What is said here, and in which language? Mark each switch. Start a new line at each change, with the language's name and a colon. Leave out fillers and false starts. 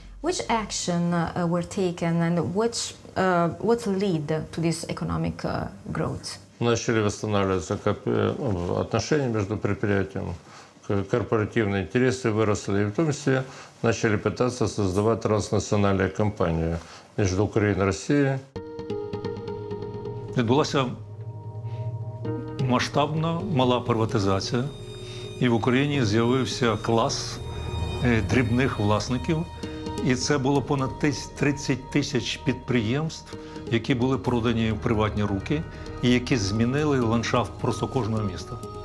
English: Which action were taken and what led to this economic growth?
Russian: Начали восстанавливаться отношения между предприятием, корпоративные интересы выросли, и в том числе начали пытаться создавать транснациональные компании между Украиной и Россией.
Ukrainian: Масштабна мала приватизація, і в Україні з'явився клас дрібних власників, і це було понад 30 тисяч підприємств, які були продані в приватні руки і які змінили ландшафт просто кожного міста.